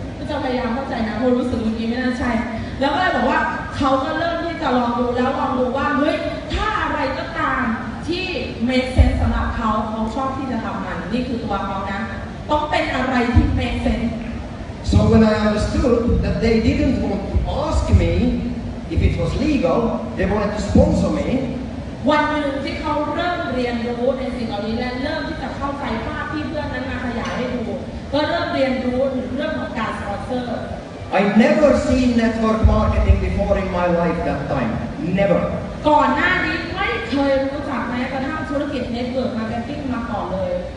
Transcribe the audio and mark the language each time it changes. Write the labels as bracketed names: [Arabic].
[Thai] จะพยายามเข้าใจนะเพราะรู้สึกเมื่อกี้ไม่น่าใช่แล้วก็เลยบอกว่าเขาก็เริ่มที่จะลองดูแล้วลองดูว่าเฮ้ยถ้าอะไรก็ตามที่ [English] make sense [Thai] สำหรับเขาเขาชอบที่จะทำมันนี่คือตัวเขานะต้องเป็นอะไรที่ make sense. [English] So when I understood that they didn't want to ask me if it was legal, they wanted to sponsor me. [Thai] วันหนึ่งที่เขาเริ่มเรียนรู้ในสิ่งเหล่านี้และเริ่มที่จะเข้าใจภาพที่เพื่อนนั้นมาขยายให้ดูก็เริ่มเรียนรู้ถึงเรื่องของการสปอนเซอร์ [English] I never seen network marketing before in my life that time never [Thai] ก่อนหน้านี้ไม่เคยรู้จักแม้กระทั่งธุรกิจเน็ตเวิร์กมาร์เก็ตติ้งมาก่อนเลย